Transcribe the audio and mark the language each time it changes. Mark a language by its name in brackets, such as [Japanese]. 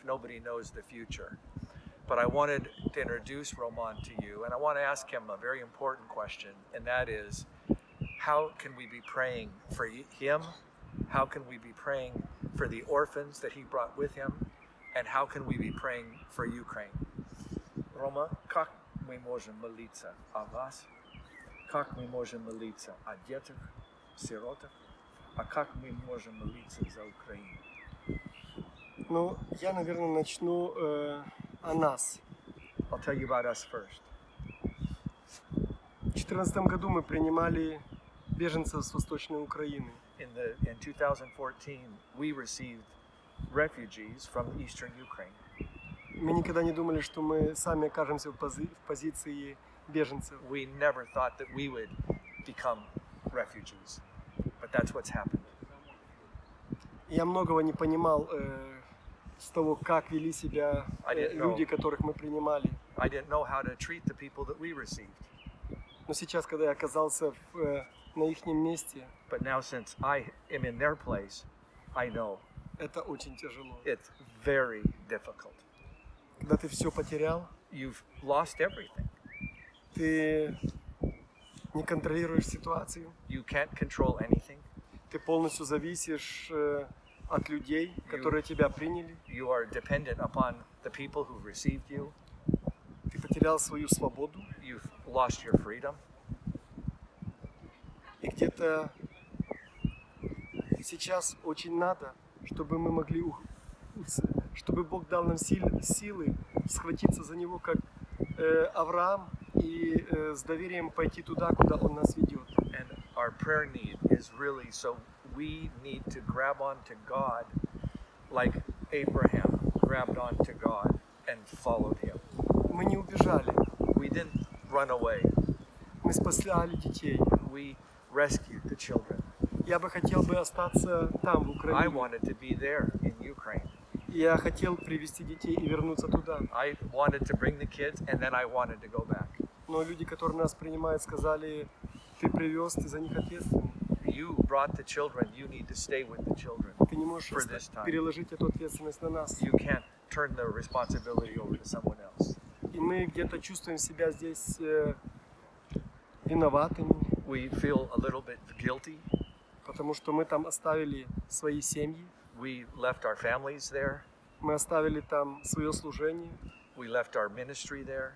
[English] Nobody knows the future. But I wanted to introduce Roman to you, and I want to ask him a very important question, and that is, how can we be praying for him? How can we be praying for the orphans that he brought with him? And how can we be praying for Ukraine? [Russian] Roma, как мы можем молиться о вас? Как мы можем молиться о детях, сиротах? А как мы можем молиться за Украину? Ну, я, наверное, начну о нас. [English] I'll tell you about us first. [Russian] В 2014 году мы принимали беженцев с Восточной Украины. [English] In 2014, we received refugees from Eastern Ukraine. [Russian] Мы никогда не думали, что мы сами окажемся в позиции беженцев. [English] We never thought that we would become refugees, but that's what's happened. [Russian] Я многого не понимал с того, как вели себя люди, которых мы принимали. [English] I didn't know how to treat the people that we received. [Russian] Но сейчас, когда я оказался в на ихнем месте, [English] but now since I am in their place, I know. [Russian] Это очень тяжело. [English] It's very difficult. [Russian] Когда ты все потерял, [English] you've lost everything. [Russian] Ты не контролируешь ситуацию. [English] You can't control anything. [Russian] Ты полностью зависишь от людей, которые тебя приняли. [English] You are dependent upon the people who received you. [Russian] Ты потерял свою свободу. [English] You've lost your freedom. [Russian] И где-то сейчас очень надо, чтобы мы могли, чтобы Бог дал нам силы схватиться за Него, как Авраам, и с доверием пойти туда, куда Он нас ведет. [English] And our prayer need is really, so we need to grab on to God, like Abraham grabbed on to God and followed Him. [Russian] Мы не убежали. [English] We didn't run away. [Russian] Мы спасли детей. [English] Rescued the children. [Russian] Я бы хотел бы остаться там, в Украине. [English] I wanted to be there in Ukraine. [Russian] Я хотел привести детей и вернуться туда. [English] I wanted to bring the kids and then I wanted to go back. [Russian] Но люди, которые нас принимают, сказали, ты привез, ты за них ответственный. [English] You brought the children, you need to stay with the children. [Russian] Ты не можешь переложить эту ответственность на нас. [English] You can't turn the responsibility over to someone else. [Russian] И мы где-то чувствуем себя здесь виноватыми. [English] We feel a little bit guilty. [Russian] Потому что мы там оставили свои семьи. [English] We left our families there. [Russian] Мы оставили там свое служение. [English] We left our ministry there.